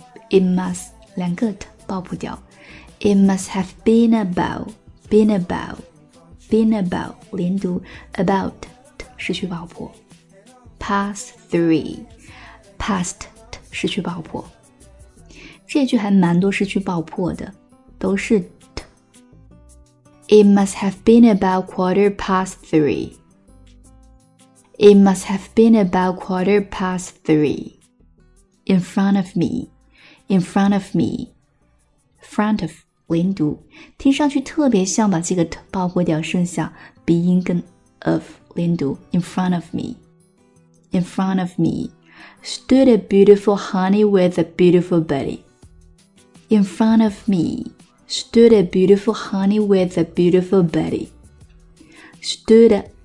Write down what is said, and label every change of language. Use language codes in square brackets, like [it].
[en] It must, [zh] 两个 t, 爆破掉。 [en] It must have been about, been about, been about, 连读 about, t, 失去爆破。 Past three, past, t, 失去爆破。 [zh] 这句还蛮多失去爆破的，都是 t。 [en] It must have been about quarter past three. It must have been about quarter past three. In front of me. In front of me, front of, 连读， [zh] 听上去特别像把这个 t 爆破掉，剩下鼻音跟 [en] of, 连读 in front of me, in front of me, stood a beautiful honey with a beautiful body, in front of me, stood a beautiful honey with a beautiful body, stood a,